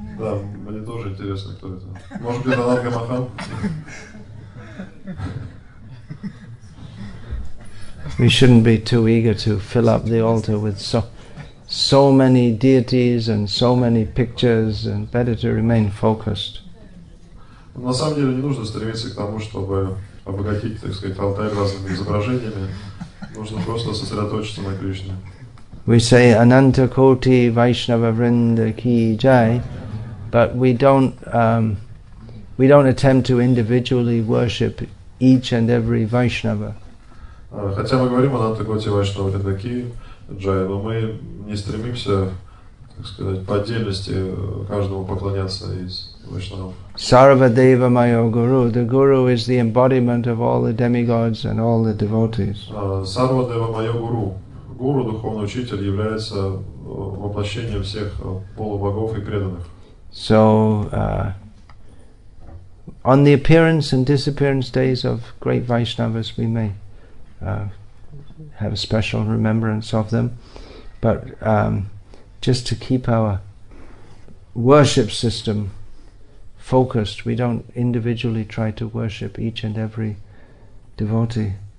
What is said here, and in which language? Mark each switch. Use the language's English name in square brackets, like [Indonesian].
[Russian] Да, мне тоже интересно, кто это. Может быть, Ананга Мохан? [English] We shouldn't be too eager to fill up the altar with so many deities and so many pictures, and better to remain focused. [Russian] На самом деле, не нужно стремиться к тому, чтобы обогатить, так сказать, алтарь разными изображениями. Нужно просто сосредоточиться на Кришне. [English] We say [Sanskrit] Ananta Koti Vaishnava Vrinda Ki Jai, [English] but we don't attempt to individually worship each and every Vaishnava. [Russian] Хотя мы говорим [Sanskrit] Ананта Коти Вайшнава Вринда Ки Джай, [Russian] но мы не стремимся, так сказать, по отдельности каждому поклоняться из Вайшнава. [Sanskrit] Sarva Deva Mayo Guru. [English] The Guru is the embodiment of all the demigods and all the devotees. [Sanskrit] Sarva Deva Mayo Guru. [Russian] Гуру, духовный учитель, является воплощением всех полубогов и преданных. [English] So, on the appearance and disappearance days of great Vaishnavas, we may have a special remembrance of them. But just to keep our worship system focused, we don't individually try to worship each and every devotee.